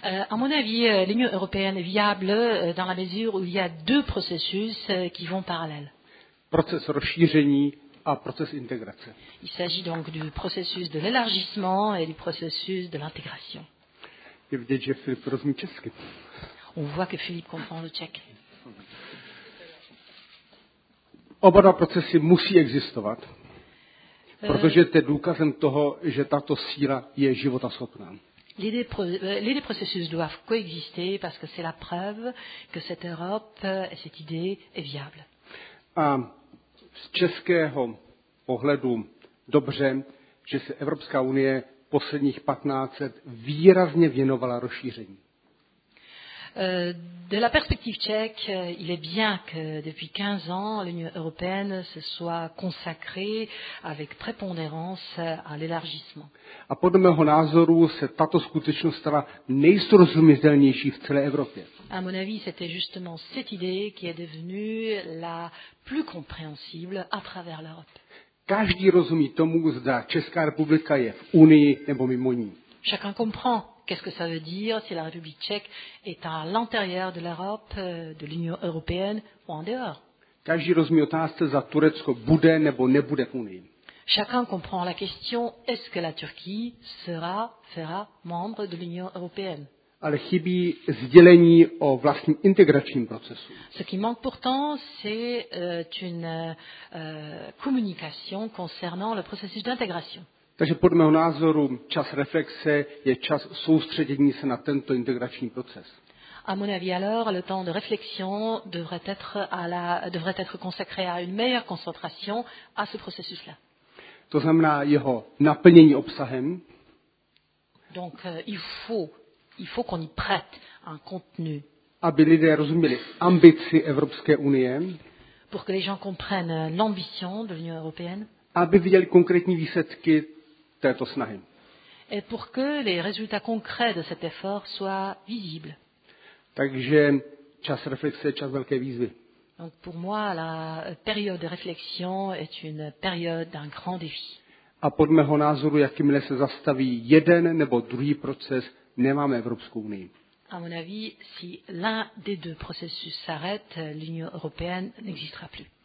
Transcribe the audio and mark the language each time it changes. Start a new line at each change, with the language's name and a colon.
French: À mon avis, l'Union européenne est viable dans la mesure où il y a deux processus qui vont parallèles.
Czech: Proces rozšíření a proces integrace.
French: Il s'agit donc du processus de l'élargissement et du processus de l'intégration.
Czech: Je vidět, že Filip rozumí česky.
French: On voit que Philippe comprend le tchèque.
Czech: Oba dva procesy musí existovat, protože to je důkazem toho, že tato síla je životaschopná.
French: Les deux processus doivent coexister parce que c'est la preuve que cette Europe et cette idée est viable.
Czech: A z českého pohledu dobře, že se Evropská unie posledních 15 let výrazně věnovala rozšíření.
French: De la perspective tchèque, il est bien que depuis 15 ans, l'Union européenne se soit consacrée avec prépondérance à l'élargissement.
Czech: A podle mého názoru se tato skutečnost stala nejsrozumitelnější v celé Evropě.
French: À mon avis, c'était justement cette idée qui est devenue la plus compréhensible à travers l'Europe.
Czech: Každý rozumí tomu, zda Česká republika je v Unii nebo mimo ní.
French: Chacun comprend. Qu'est-ce que ça veut dire si la République tchèque est à l'intérieur de l'Europe, de l'Union européenne ou en dehors?
Czech: Každý rozumí otázce, zda Turecko bude nebo nebude v Unii.
French: Chacun comprend la question, est-ce que la Turquie fera membre de l'Union européenne?
Czech: Ale chybí sdělení o vlastním integračním procesu.
French: Ce qui manque pourtant, c'est une communication concernant le processus d'intégration.
Czech: Takže podle mého názoru čas reflexe je čas soustředění se na tento integrační proces.
French: À mon avis alors, le temps de réflexion devrait être consacré à une meilleure concentration à ce processus-là.
Czech: To znamená jeho naplnění obsahem.
French: Donc il faut qu'on y prête un contenu.
Czech: Aby lidé rozuměli ambici Evropské unie.
French: Pour que les gens comprennent l'ambition de l'Union européenne.
Czech: Aby viděli konkrétní výsledky této snahy.
French: Et pour que les résultats concrets de cet effort soient visibles.
Czech: Takže čas reflexe, čas velké výzvy.
French: Donc pour moi, la période de réflexion est une période d'un grand défi.
Czech: A podle mého názoru, jakmile se zastaví jeden nebo druhý proces, nemáme Evropskou unii.
French: À mon avis, si l'un des deux processus s'arrête, l'Union européenne n'existera plus.